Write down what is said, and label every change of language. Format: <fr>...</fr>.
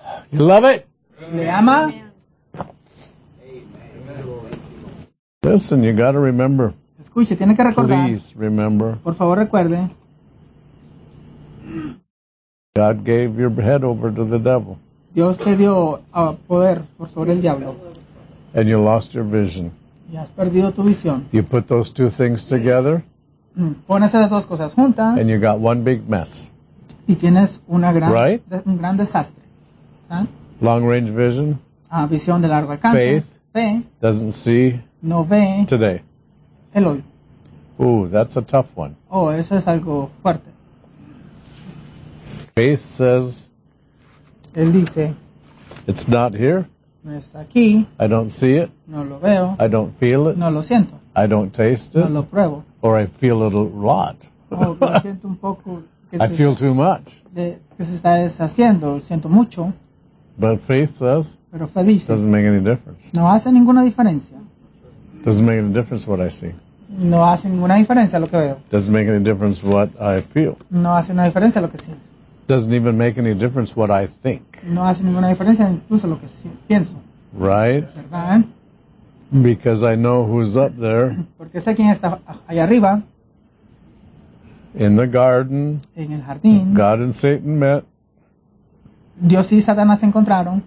<en>You love it?</en> <es>¿Le ama?</es> <en>Listen, you got to remember.</en> <es>Escuche, tiene que recordar.</es> <en>Please remember.</en> <es>Por favor, recuerde.</es> <en>God gave your head over to the devil.</en> <es>Dios te dio poder por sobre el diablo.</es> <en>And you lost your vision.</en> <es>Y has perdido tu visión.</es> <en>You put those two things together.</en> <es>Pon esas dos cosas juntas.</es> <en>And you got one big mess.</en> <es>Y tienes una gran,</es> <en>right?</en> <es>Un gran desastre. ¿Eh?</es> <en>Long range vision.</en> <es>Visión de largo alcance.</es> <en>Faith.</en> <es>Fe.</es> <en>Doesn't see.</en> <es>No ve.</es> <en>Today.</en> <es>El hoy.</es> <en>Ooh, that's a tough one.</en> <es>Oh, eso es algo fuerte.</es> <en>Faith says.</en> <es>Él dice.</es> <en>It's not here.</en> <es>No está aquí.</es> <en>I don't see it.</en> <es>No lo veo.</es> <en>I don't feel it.</en> <es>No lo siento.</es> <en>I don't taste it.</en> <es>No lo pruebo.</es> <en>Or I feel it a lot.</en> <es>Oh, siento un poco.</es> <en>I feel too much.</en> <es>Que se está deshaciendo. Siento mucho.</es> <en>But faith says.</en> <es>Pero fe dice.</es> <en>Doesn't make any difference.</en> <es>No hace ninguna diferencia.</es> <en>Doesn't make any difference what I see.</en> <es>No hace ninguna diferencia lo que veo.</es> <en>Doesn't make any difference what I feel.</en> <es>No hace una diferencia lo que siento.</es> <en>Doesn't even make any difference what I think.</en> <es>No hace ninguna diferencia incluso lo que pienso.</es> <en>Right?</en> <es>¿Verdad?</es> <en>Because I know who's up there.</en> <es>Porque sé quién está allá arriba.</es> <en>In the garden.</en> <es>En el jardín.</es> <en>God and Satan met.</en> <es>Dios y Satanás se encontraron.</es>